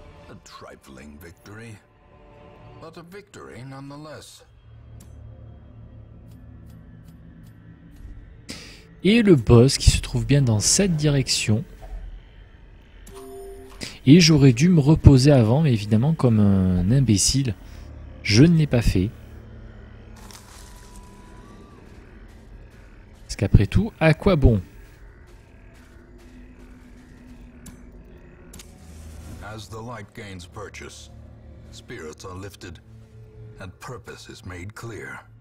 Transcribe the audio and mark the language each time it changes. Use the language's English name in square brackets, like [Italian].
[English] A trifling victory, but a victory nonetheless. [French] Et le boss qui se trouve bien dans cette direction. Et j'aurais dû me reposer avant, mais évidemment, comme un imbécile, je ne l'ai pas fait. Parce qu'après tout, à quoi bon ? [English] As the light gains purchase, spirits are lifted, and purpose is made clear.